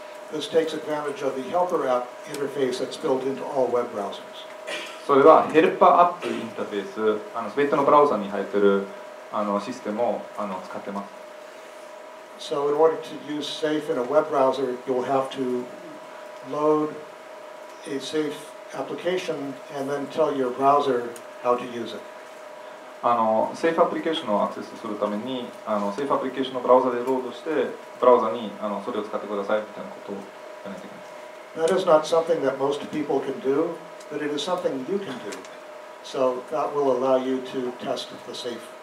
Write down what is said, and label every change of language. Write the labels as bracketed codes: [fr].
[en] This takes advantage of the Helper app interface that's built into all web browsers. [ja] それはヘルパーアプリインターフェース、すべてのブラウザに入っているシステムを使ってます。 [en] So in order to use Seif in a web browser, you'll have to load a Seif application and then tell your browser how to use it. [ja] Seif アプリケーションをアクセスするために、Seif アプリケーションのブラウザでロードして、ブラウザにそれを使ってくださいみたいなことをやらないといけない。 [en] That is not something that most people can do, but it is something you can do. So that will allow you to test the Seif.